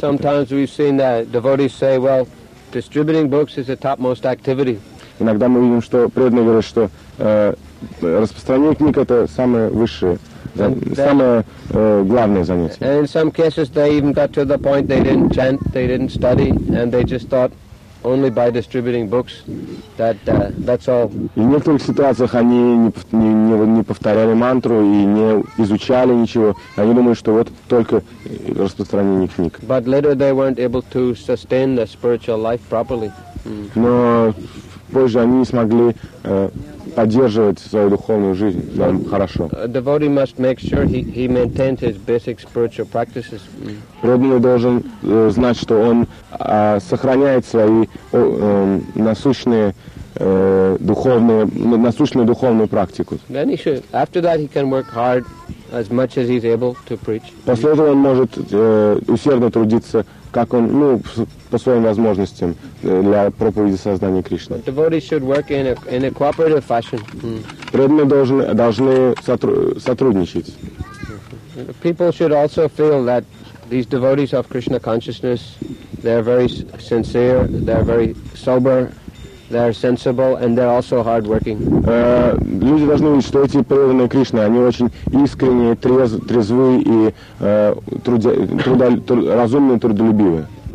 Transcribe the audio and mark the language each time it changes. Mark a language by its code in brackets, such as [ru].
[en] Sometimes we've seen that devotees say, well, distributing books is the topmost activity. [ru] Иногда мы видим, что преданные говорят, что распространение книг это самое высшее, самое главное занятие. [en] And in some cases they even got to the point they didn't chant, they didn't study, and they just thought, only by distributing books, that that's all. [ru] И в некоторых ситуациях они не повторяли мантру и не изучали ничего. Они думают, что вот только распространение книг. [en] But later they weren't able to sustain the spiritual life properly. [ru] Но позже они не смогли поддерживать свою духовную жизнь нам хорошо. [en] Devotee must make sure he maintains his basic spiritual practices. [ru] Преданный должен знать, что он сохраняет свои насущную духовную практику. [en] Then he should, after that he can work hard as much as he's able to preach. [ru] После этого он может усердно трудиться, как он, ну, по своим возможностям для проповеди сознания Кришны. [en] But devotees should work in a cooperative fashion. [ru] Преданные должны сотрудничать. [en] People should also feel that these devotees of Krishna consciousness, they're very sincere, they're very sober, they're sensible, and they're also hardworking. [ru] Люди должны видеть, что эти преданные Кришны, они очень искренние, трезвые и разумные, трудолюбивые.